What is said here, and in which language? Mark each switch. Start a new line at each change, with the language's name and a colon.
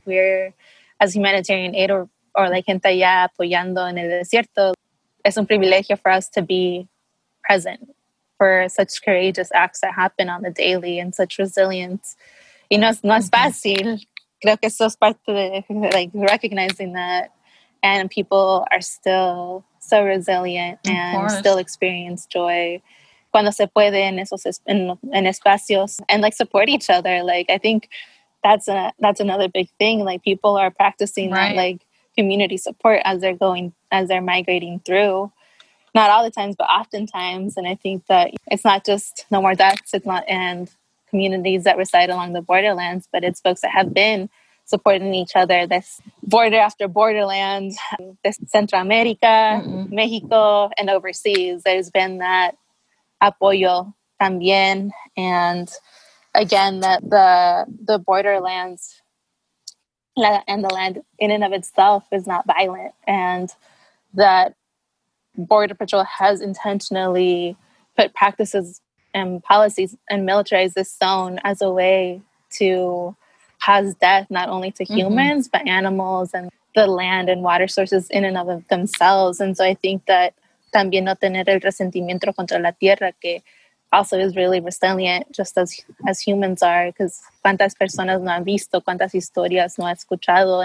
English: We're, as humanitarian aid or like
Spanish: gente allá apoyando en el desierto, es un privilegio
English: for us to be present for such courageous acts that happen on the daily, and such resilience.
Spanish: Y no es mm-hmm. fácil. Creo que eso es parte de, like,
English: recognizing that. And people are still so resilient and still experience joy
Spanish: cuando se puede en esos en espacios,
English: and like support each other. Like, I think that's another big thing. Like, people are practicing right. that, like, community support as they're going, as they're migrating through. Not all the times, but oftentimes. And I think that it's not just no more deaths, it's not, and communities that reside along the borderlands, but it's folks that have been supporting each other, this border after borderland, this Central America, mm-hmm. Mexico, and overseas. There's been that
Spanish: apoyo también.
English: And again, that the borderlands and the land in and of itself is not violent, and that Border Patrol has intentionally put practices and policies and militarized this zone as a way to cause death, not only to humans, mm-hmm. but animals and the land and water sources in and of themselves. And so I think that
Spanish: también no tener el resentimiento contra la tierra, que
English: also is really resilient, just as humans are,
Spanish: because cuántas personas no han visto, cuántas historias no ha escuchado.